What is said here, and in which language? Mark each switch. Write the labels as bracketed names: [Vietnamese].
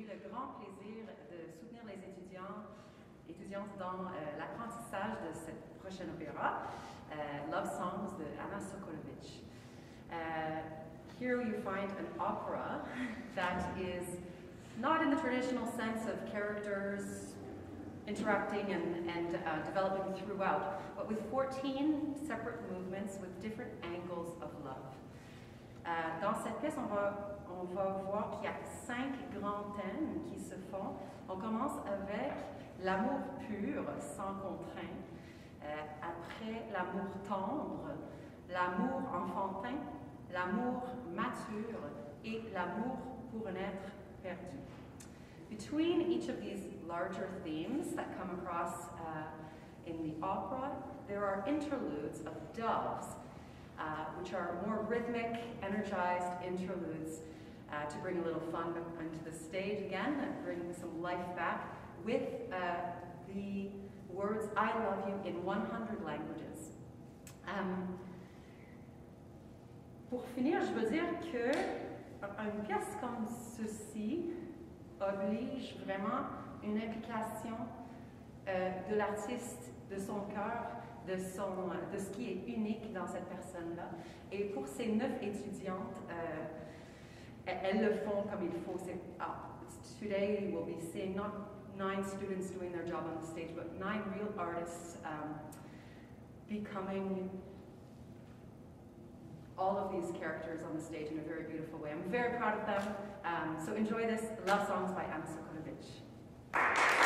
[French] grand plaisir de soutenir les étudiants étudiantes dans l'apprentissage de cette prochaine opéra, Love Songs de Anna Sokolovic. [English] Here you find an opera that is not in the traditional sense of characters interacting and developing throughout, but with 14 separate movements with different angles of love. [French] Dans cette pièce, on va voir qu'il y a cinq grands thèmes qui se font. On commence avec l'amour pur, sans contrainte. Après, l'amour tendre, l'amour enfantin, l'amour mature et l'amour pour un être perdu. [English] Between each of these larger themes that come across in the opera, there are interludes of doves, which are more rhythmic, energized interludes to bring a little fun onto the stage again, and bring some life back with the words, I love you, in 100 languages. [French] Pour finir, je veux dire que une pièce comme ceci oblige vraiment une implication de l'artiste, de son cœur, de ce qui est unique dans cette personne-là. Et pour ces 9 étudiantes, elles le font comme il faut. [English] Today we'll be seeing not 9 students doing their job on the stage, but 9 real artists becoming all of these characters on the stage in a very beautiful way. I'm very proud of them. So enjoy this Love Songs by Anna Sokolovic.